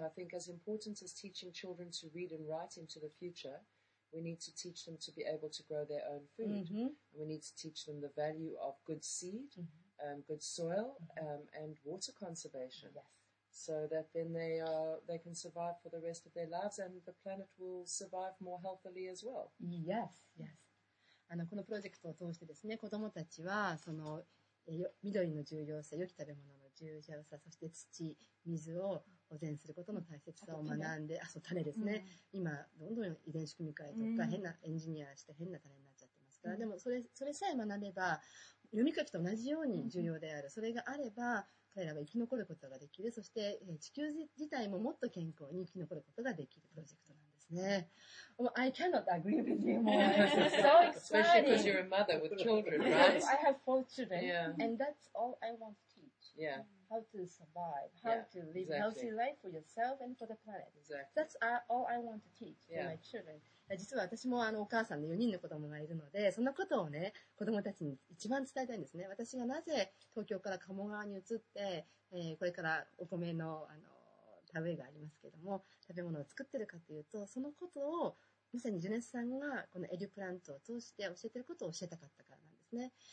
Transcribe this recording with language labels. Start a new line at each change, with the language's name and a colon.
English: I think as important as teaching children to read and write into the future, we need to teach them to be able to grow their own food. Mm-hmm. We need to teach them the value of good seed, good soil, and water conservation. Yes. So that then they can survive for the rest of their lives and the planet will survive more healthily as well. Yes, yes.
Japanese: あのこのプロジェクトを通してですね、子どもたちはその緑の重要さ、良き食べ物の重要さ、そして土、水を保全することの大切さを学んで、あ、そう、種ですね、うん、今どんどん遺伝子組み換えとか変なエンジニアして変な種になっちゃってますから、うん、でもそれさえ学べば読み書きと同じように重要である、うん、それがあれば彼らは生き残ることができる、そして地球自体ももっと健康に生き残ることができるプロジェクトなんです。
English: Well, I cannot agree with you more. This is so exciting. Especially because you're a mother with children, right? I have 4 children, yeah. And that's all I want to teach. Yeah. How to survive, how to live a healthy life for yourself and for the planet. Exactly. That's all I want to teach for my children.
Japanese: 実は私もあのお母さんの4人の子供がいるので、そんなことをね、子供たちに一番伝えたいんですね。私がなぜ東京から鴨川に移って、これからお米の、あの食べがありますけれども、食べ物を作ってるかというと、そのことをまさにジュネスさんがこのエデュプラントを通して教えてることを教えたかったからなんですね。